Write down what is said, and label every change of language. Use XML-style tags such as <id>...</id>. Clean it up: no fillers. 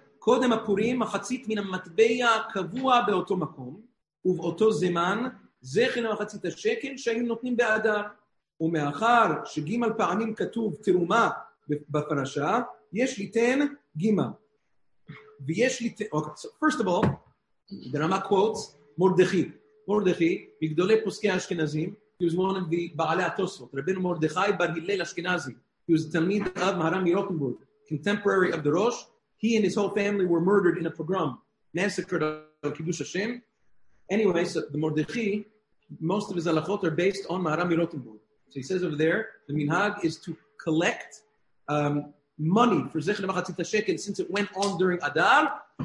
<he>קודם הפורים, מחצית מן המטבע הקבוע באותו מקום, ובאותו זמן, זכן המחצית השקל שהיו נותנים באדר. ומאחר שגימל פעמים כתוב תרומה בפרשה, יש ליתן גימל. ויש ליתן...</he> <en>Okay, so first of all, ברמה quotes, מורדכי.</en> <he>מורדכי, בגדולי פוסקי האשכנזים,</he> <en>he was one of the</en> <he>בעלי התוספות, רבנו מורדכי בר הלל אשכנזי.</he> <en>He was תלמיד אב מהר"ם מרוטנבורג, contemporary of the Rosh, he and his whole family were murdered in a pogrom, massacred of Kiddush Hashem. Anyway, so the Mordechi, most of his halachot are based on Maharam Mirotenburg. So he says over there, the minhag is to collect money for Zechel Machatzit HaShekel since it went on during Adar.</en>